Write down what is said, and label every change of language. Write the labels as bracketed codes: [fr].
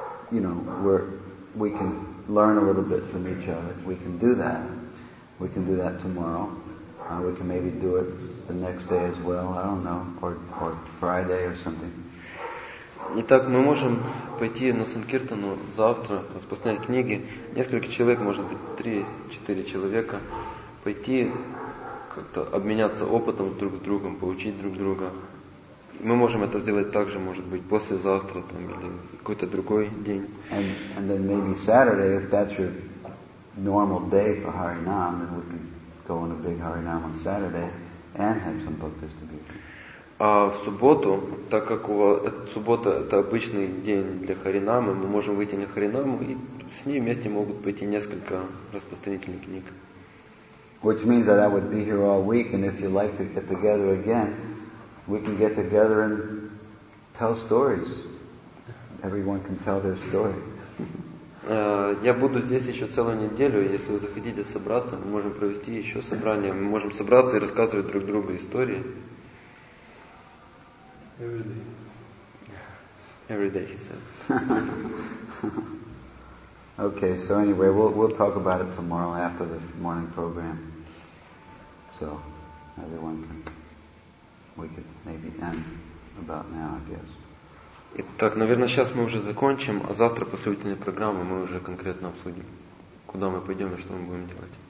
[en] You know, we can learn a little bit from each other. We can do that. We can do that tomorrow. We can maybe do it the next day as well. I don't know, or Friday or something. [ru] Итак, мы можем пойти на санкиртану завтра, распространять книги. Несколько человек, может быть, 3-4 человека, пойти как-то обменяться опытом друг с другом, поучить друг друга. Мы можем это сделать также, может быть, послезавтра там, или какой-то другой день. [en] And then maybe Saturday, if that's your normal day for Harinam, then we can go on a big Harinam on Saturday and have some book distribution. [ru] А в субботу, так как суббота это обычный день для Харинама, мы можем выйти на Харинам и с ней вместе могут пойти несколько распространительных книг. [en] Which means that I would be here all week, and if you like to get together again, we can get together and tell stories. Everyone can tell their story. [ru] Я буду здесь еще целую неделю. Если вы захотите собраться, мы можем провести еще собрание. Мы можем собраться и рассказывать друг другу истории. [en] Every day. Every day, he said. Okay. So anyway, we'll talk about it tomorrow after the morning program. So everyone can. We could maybe end about now, I guess. [ru] Итак, наверное, сейчас мы уже закончим, а завтра после утренней программы мы уже конкретно обсудим, куда мы пойдем и что мы будем делать.